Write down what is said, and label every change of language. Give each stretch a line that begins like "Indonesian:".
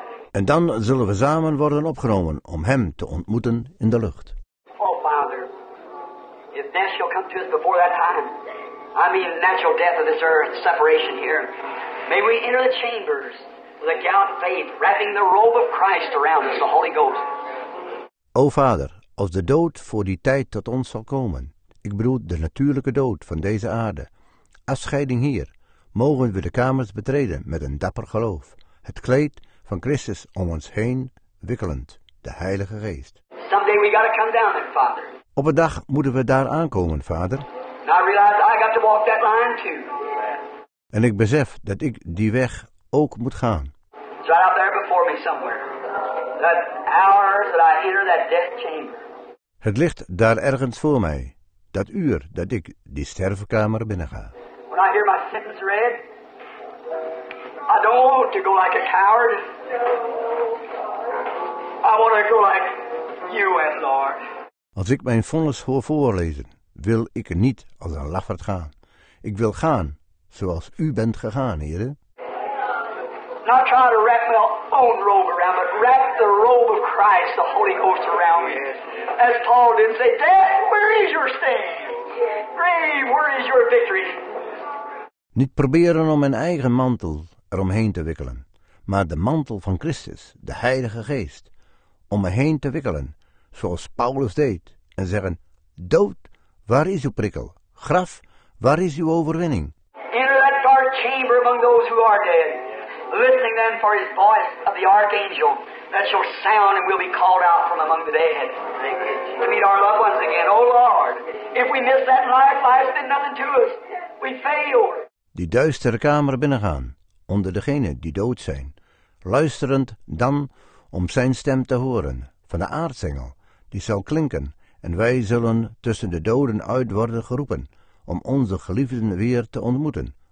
Dutch: En dan zullen we samen worden opgenomen om hem te ontmoeten in de lucht.
English: Oh, Father, if death shall come to us before that time, I mean natural death of this earth, separation here, may we enter the chambers with a gallant faith, wrapping the robe of Christ around us, the Holy Ghost.
Dutch: O Vader, als de dood voor die tijd tot ons zal komen, ik bedoel de natuurlijke dood van deze aarde, afscheiding hier, mogen we de kamers betreden met een dapper geloof, het kleed van Christus om ons heen, wikkelend de Heilige Geest.
English: Someday we gotta come down there, Father.
Dutch: Op een dag moeten we daar aankomen, Vader.
English: And I realize I got to walk that line too.
Dutch: En ik besef dat ik die weg ook moet gaan.
English: It's right out there before me somewhere. That hour that I enter that death chamber.
Dutch: Het ligt daar ergens voor mij. Dat uur dat ik die sterfkamer binnenga.
English: When I hear my sentence read, I don't want to go like a coward. I want to go like you, Lord.
Dutch: Als ik mijn vonnis hoor voorlezen, wil ik niet als een lafaard gaan. Ik wil gaan zoals u bent gegaan, Heere.
English: Not trying to wrap my own robe around, but wrap the robe of Christ, the Holy Ghost, around me. As Paul did say, death, where is your sting? Grave, where is your victory?
Dutch: Niet proberen om mijn eigen mantel eromheen te wikkelen, maar de mantel van Christus, de Heilige Geest, om me heen te wikkelen, zoals Paulus deed, en zeggen, dood, waar is uw prikkel? Graf, waar is uw overwinning?
English: Enter that dark chamber among those who are dead. Listening then for his voice of the archangel that shall sound and will be called out from among the dead to meet our loved ones again. Oh Lord, if we miss that life, life's been nothing to us. We failed.
Dutch: Die duistere kamer binnengaan, onder degenen die dood zijn, luisterend dan om zijn stem te horen van de aartsengel, die zal klinken en wij zullen tussen de doden uit worden geroepen om onze geliefden weer te ontmoeten.